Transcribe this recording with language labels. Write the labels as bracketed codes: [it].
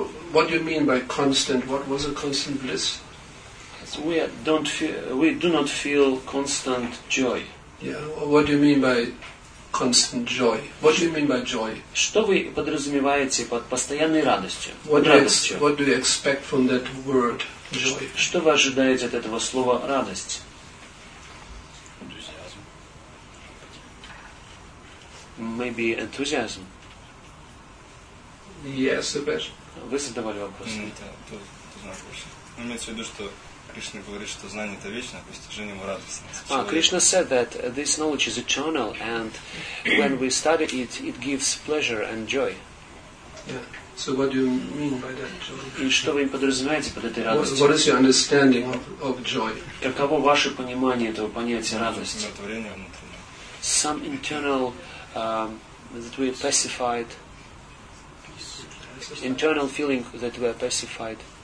[en] What do you mean by constant? What was a constant bliss? We do not feel constant joy. Yeah. What do you mean by constant joy? What do you mean by joy? [ru] Что вы подразумеваете под постоянной радостью? [en] What do you expect from that word, joy? [ru] Что вы ожидаете от этого слова радость? [en] Maybe enthusiasm. Yes, the best. [ru] Вы задавали вопрос. Ты знаешь больше. Имеется в виду, что Кришна говорит, что знание это вечное, постижение ему радостно. [en] Кришна said that this knowledge is eternal, and when we study it, it gives pleasure and joy. Yeah. So what do you mean by that joy? [ru] И что вы подразумеваете под этой радостью? [en] What is your understanding of joy? [ru] Каково ваше понимание этого понятия радости? Умиротворение внутреннее. [en] Some internal that we are pacified, internal feeling that we are pacified,